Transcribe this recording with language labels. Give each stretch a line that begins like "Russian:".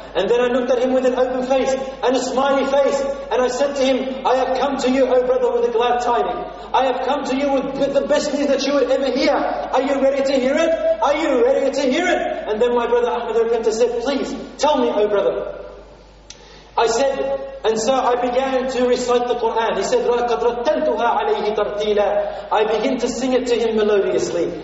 English: And then I looked at him with an open face and a smiley face. And I said to him, I have come to you, O brother, with a glad tidings. I have come to you with the best news that you would ever hear. Are you ready to hear it? Are you ready to hear it? And then my brother Ahmed al-Kanta said, please tell me, O brother. I said, and so I began to recite the Quran. He said,
Arabic: لَقَدْ رَتَّلْتُهَا عَلَيْهِ تَرْتِيلًا.
English: I begin to sing it to him melodiously.